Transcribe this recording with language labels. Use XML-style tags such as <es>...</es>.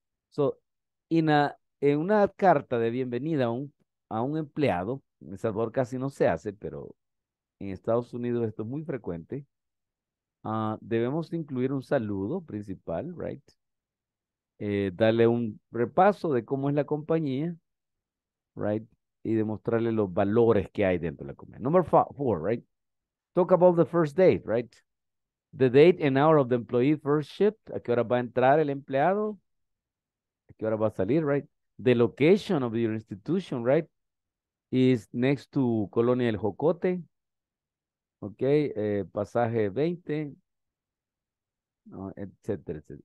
<es>So en una carta de bienvenida a un empleado, en El Salvador casi no se hace, pero en Estados Unidos esto es muy frecuente, debemos incluir un saludo principal, right? Darle un repaso de cómo es la compañía, right? Y demostrarle los valores que hay dentro de la compañía.</es> <en>Number four, right? Talk about the first date, right? The date and hour of the employee first shift.</en> <es>¿A qué hora va a entrar el empleado? ¿A qué hora va a salir, right?</es> <en>The location of your institution, right? Is next to</en> <es>Colonia El Jocote. Okay, pasaje 20, no, etcétera, etcétera.</es>